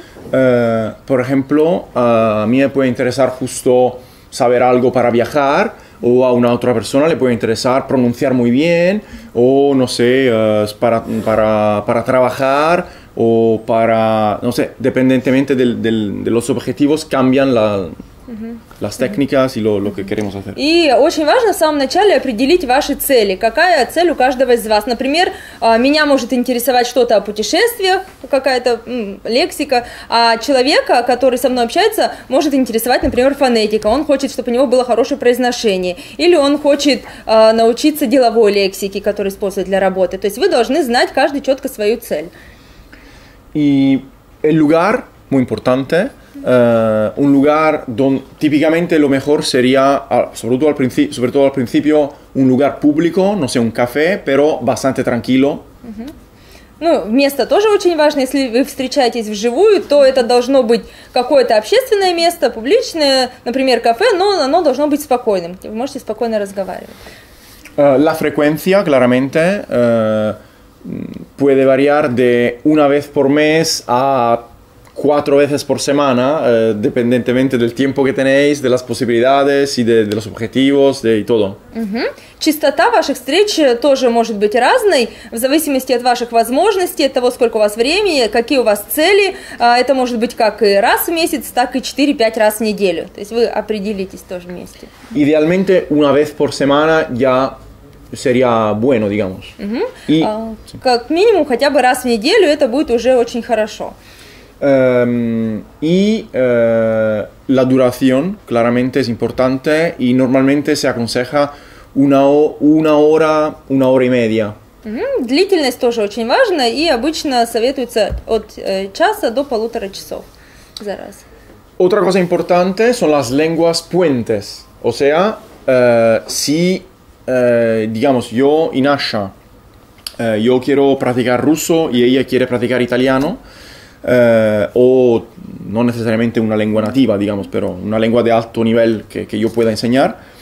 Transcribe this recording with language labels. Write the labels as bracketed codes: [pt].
[es] Por ejemplo, a mí me puede interesar justo saber algo para viajar, o a una otra persona le puede interesar pronunciar muy bien, o no sé, para trabajar, o para, no sé, dependientemente de los objetivos cambian las técnicas y lo que queremos hacer. Y [ru] очень важно в самом начале определить ваши цели. Какая цель у каждого из вас? Например, меня может интересовать что-то о путешествиях, какая-то лексика, а человека, который со мной общается, может интересовать, например, фонетика. Он хочет, чтобы у него было хорошее произношение. Или он хочет научиться деловой лексике, которую использует для работы. То есть вы должны знать каждый четко свою цель. И [es] el lugar, muy importante. Un lugar donde típicamente lo mejor sería, sobre todo al principio, un lugar público, no sé, un café, pero bastante tranquilo. [ru] Ну, место тоже очень важно, если вы встречаетесь вживую, то это должно быть какое-то общественное место, публичное, например, кафе, но оно должно быть спокойным, вы можете спокойно разговаривать. [es] La frecuencia, claramente, puede variar de una vez por mes a 4 veces por semana, dependientemente del tiempo que tenéis, de las posibilidades y de los objetivos, de y todo. [ru] Частота ваших встреч тоже может быть разной, в зависимости от ваших возможностей, от того, сколько у вас времени, какие у вас цели. Это может быть как и раз в месяц, так и 4-5 раз в неделю. То есть вы определитесь тоже вместе. [es] Идеальменте una vez por semana ya sería bueno, digamos. [ru] И как минимум хотя бы раз в неделю это будет уже очень хорошо. [es] La duración claramente es importante y normalmente se aconseja Una ора и медиа. [ru] Длительность тоже очень важна, и обычно советуется от часа до полутора часов за раз. [es] Otra cosa importante son las lenguas puentes. O sea, digamos, yo y Nasha, yo quiero practicar ruso y ella quiere practicar italiano, o no necesariamente una lengua nativa, digamos, pero una lengua de alto nivel que yo pueda enseñar.